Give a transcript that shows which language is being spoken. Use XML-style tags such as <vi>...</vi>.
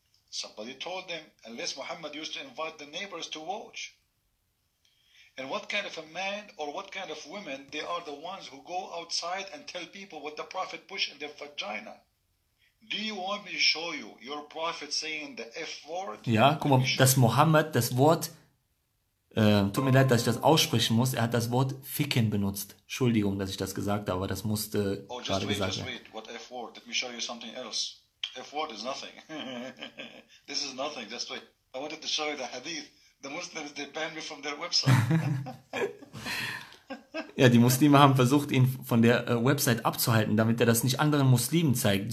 <en>Somebody told them, unless Muhammad used to invite the neighbors to watch. And what kind of a man or what kind of women, they are the ones who go outside and tell people what the prophet pushed in their vagina. Do you want me to show you your prophet saying the F word?</en> <de>Ja, guck mal, dass Mohammed das Wort, tut mir leid, dass ich das aussprechen muss, er hat das Wort ficken benutzt. Entschuldigung, dass ich das gesagt habe, aber das musste gerade gesagt werden.</de> <en>Oh, just wait, what F word? Let me show you something else. F word is nothing. This is nothing, just wait. I wanted to show you the hadith. The Muslims, they banned me from their website.</en> <de>Ja, die Muslime haben versucht, ihn von der Website abzuhalten, damit er das nicht anderen Muslimen zeigt.</de>